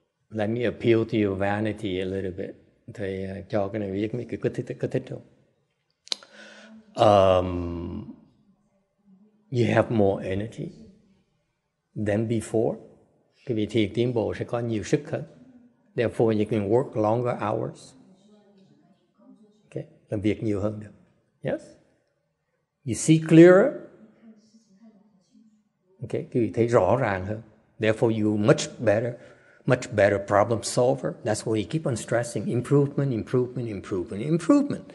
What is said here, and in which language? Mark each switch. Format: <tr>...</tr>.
<en>Let me appeal to your vanity a little bit.</en> <vi>Thầy cho cái này biết mấy cái kích thích không?</vi> <en>You have more energy than before.</en> <vi>Cái vị thiền tiến bộ sẽ có nhiều sức hơn.</vi> <en>Therefore, you can work longer hours.</en> <vi>Okay, làm việc nhiều hơn được.</vi> <en>Yes. You see clearer.</en> <vi>Okay, cái vị thấy rõ ràng hơn.</vi> <en>Therefore, you much better problem solver. That's why you keep on stressing improvement, improvement, improvement, improvement.</en>